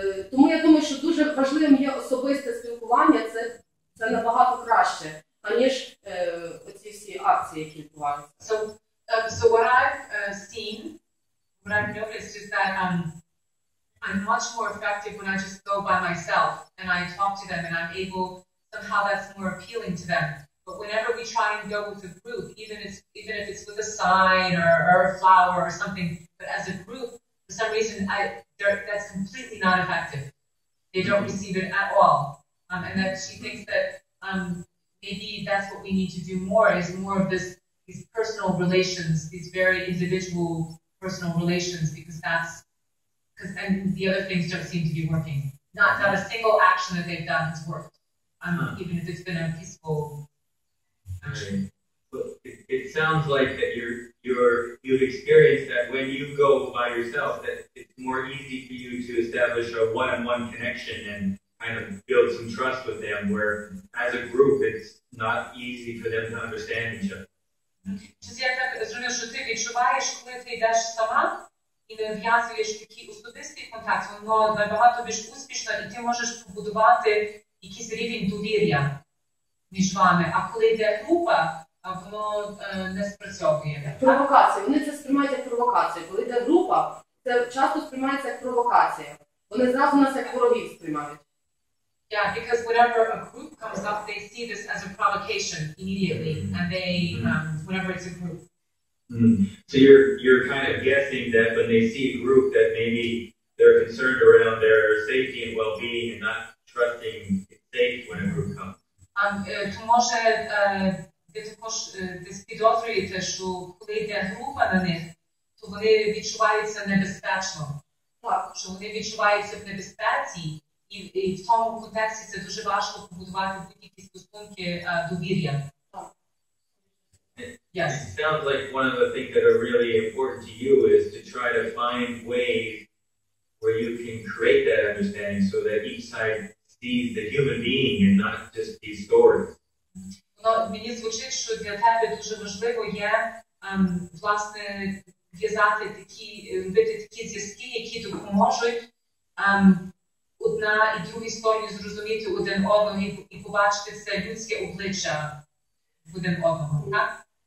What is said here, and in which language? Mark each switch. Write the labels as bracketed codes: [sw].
[uk] Тому я думаю, що дуже важливим є особисте спілкування, це набагато краще, аніж оці всі акції, які відбуваються. [en] So what I've seen, what I've noticed is that I'm much more effective when I just go by myself and I talk to them and I'm able, somehow that's more appealing to them. But whenever we try and go with a group, even if it's with a sign or a flower or something, but as a group, for some reason, that's completely not effective. They don't receive it at all. And that she thinks that maybe that's what we need to do more, is more of these personal relations, these very individual personal relations, because then the other things don't seem to be working. Not a single action that they've done has worked, even if it's been a peaceful. Right. Well, it sounds like that you've experienced that when you go by yourself, that it's more easy for you to establish a one-on-one connection and kind of build some trust with them, where as a group, it's not easy for them to understand each other. [uk] Чи я так зрозумів, що ти відчуваєш, коли ти йдеш сама і не в'язуєш такі особисті контакти, воно набагато більш успішно, і ти можеш побудувати якийсь рівень довір'я між вами. А коли йде група, воно не спрацьовує. Провокація. Вони це сприймають як провокацію. Коли йде група, це часто сприймається як провокація. Вони зразу нас як ворогів сприймають. [en] Yeah, because whenever a group comes up, they see this as a provocation immediately, and they, whenever it's a group. So you're kind of guessing that when they see a group, that maybe they're concerned around their safety and well-being and not trusting it's safe when a group comes. [uk] То може ви також десь підозрюєте, що коли йде група на них, то вони відчуваються небезпечно. Так. Що вони відчуваються в небезпеці, і в тому контексті це дуже важко побудувати будь-які стосунки довір'я. Так. [en] Yes. It sounds like one of the things that are really important to you is to try to find ways where you can create that understanding so that each side the human being and not just the stories. [uk] Ну, мені звучить, що для тебе дуже важливо є власне в'язати такі, робити такі зв'язки, які допоможуть одна і друга сторона зрозуміти один одного і побачити це людське обличчя в один одного, так?